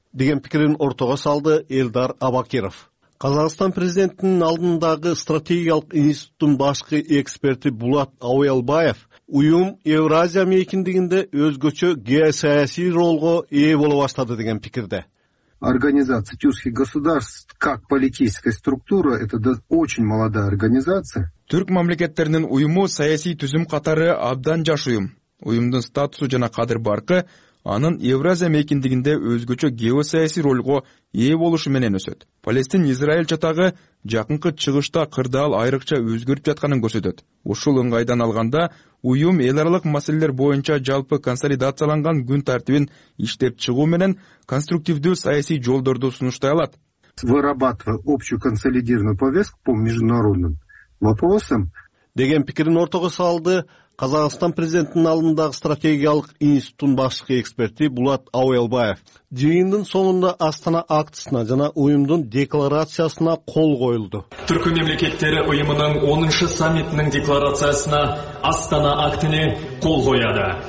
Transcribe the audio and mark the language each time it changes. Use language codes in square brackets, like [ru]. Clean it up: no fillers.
[ky] деген пикирин ортого салды Элдар Абакиров. Казакстан президентинин алдындагы стратегиялык институттун башкы эксперти Булат Ауялбаев уюм Евразия мейкиндигинде өзгөчө геосаясий ролго ээ боло баштады деген пикирде. [ru] Организация тюркских государств как политическая структура это да очень молодая организация. [ky] Түрк мамлекеттеринин уюму саясий түзүм катары абдан жаш уюм. Уюмдун статусу жана кадыр баркы анын Евразия мейкиндигинде өзгөчө геосаясий ролго ээ болушу менен өсөт. Палестин Израиль чатагы жакынкы чыгышта кырдаал айрыкча өзгөрүп жатканын көрсөтөт. Ушул ыңгайдан алганда уюм эл аралык маселелер боюнча жалпы консолидацияланган күн тартибин иштеп чыгуу менен конструктивдүү саясий жолдорду сунуштай алат. [ru] Вырабатывая общую консолидированную повестку по международным вопросам [ky] деген пикирин ортого салды Казакстан президентинин алдындагы стратегиялык институттун башкы эксперти Булат Ауялбаев. Жыйындын соңунда Астана актысына жана уюмдун декларациясына кол коюлду. Түркү мамлекеттери уюмунун 10-шы саммитинин декларациясына Астана актыны кол коюлду.